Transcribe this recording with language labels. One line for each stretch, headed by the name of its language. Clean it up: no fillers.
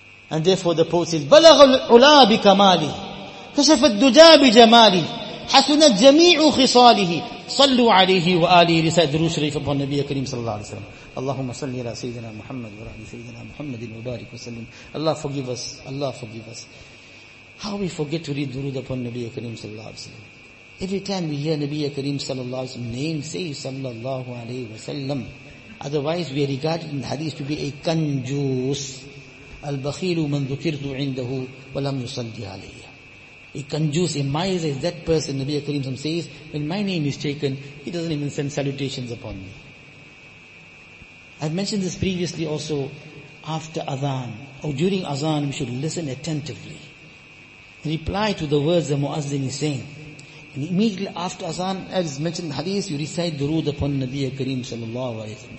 English: And therefore the poet says,
Arabic: بَلَغَ الْعُلَى بِكَمَالِي كَشَفَ الدُّجَى بِجَمَالِي حَسُنَ جَمِيعُ خِصَالِهِ صَلُّوا عَلَيْهِ وَآلِهِ رِسَاءَ دُرُوْ شَرِيْفَ بَوَ النَّبِيَ كَرِيمِ صَلَى اللَّهُ عَلَيْهِ وَسَلَّمَ. اللهم صل على سيدنا محمد وعلى سيدنا محمد المبارك وسلم.
English: Allah forgive us. Allah forgive us. How we forget to read durood upon Nabiya Kareem صلى الله عليه وسلم. Every time we hear Nabiya Kareem صلى الله عليه وسلم name, say صلى الله عليه وسلم. Otherwise we are regarded in the hadith to be a kanjus.
Arabic: البخيل من ذكرت عنده ولم يصلي عليه.
English: A kanjus, a miser, is that person, Nabi Kareem says, when my name is taken, he doesn't even send salutations upon me. I've mentioned this previously also, after Adhan, or during Adhan, we should listen attentively. Reply to the words the Muazzin is saying. And immediately after Adhan, as mentioned in the hadith, you recite durood upon Nabi Kareem sallallahu alayhi wa sallam.